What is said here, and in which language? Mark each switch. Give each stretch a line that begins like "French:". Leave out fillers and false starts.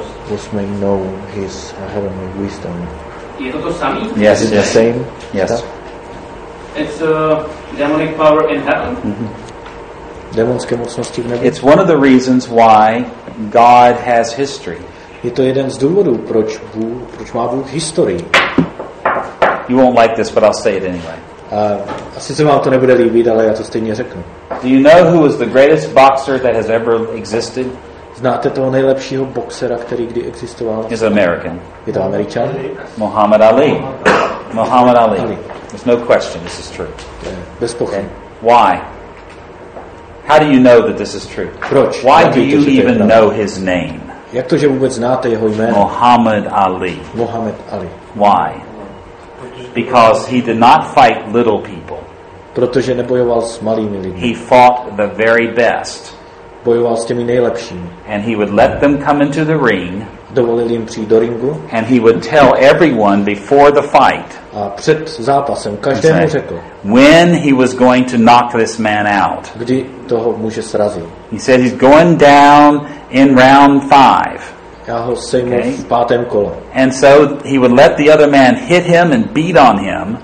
English: Was may know His heavenly wisdom.
Czech: Je to samý?
English: Yes, is it the same? Yes. It's demonic power in heaven.
Czech: Demonské mocnosti v nebi.
English: It's one of the reasons why God has history.
Czech: Je to jeden z důvodů, proč má Bůh historii.
English: You won't like this, but I'll say it anyway.
Czech: Asi se vám to nebude líbit, ale já to stejně řeknu.
English: Do you know who was the greatest boxer that has ever existed?
Czech: Znáte toho nejlepšího boxera, který kdy existoval?
English: He's American.
Czech: Je to Američan?
English: Muhammad Ali. Muhammad Ali. There's no question this is true.
Czech: Bez pochyby.
English: Why? How do you know that this is true?
Czech: Proč?
English: Why do you even know his name?
Czech: Jak to, že vůbec znáte jeho jméno?
English: Muhammad Ali. Muhammad Ali. Why? Because he did not fight little people.
Czech: Protože nebojoval s malými lidmi.
English: He fought the very best.
Czech: Bojoval s těmi nejlepšími.
English: And he would let them come into the ring.
Czech: Dovolil jim přijít do ringu.
English: And he would tell everyone before the fight.
Czech: A před zápasem každému řekl.
English: When he was going to knock this man out.
Czech: Kdy toho muže srazil.
English: He said he's going down in round 5.
Czech: Já ho sejmu v pátém kole.
English: And so he would let the other man hit him and beat on him.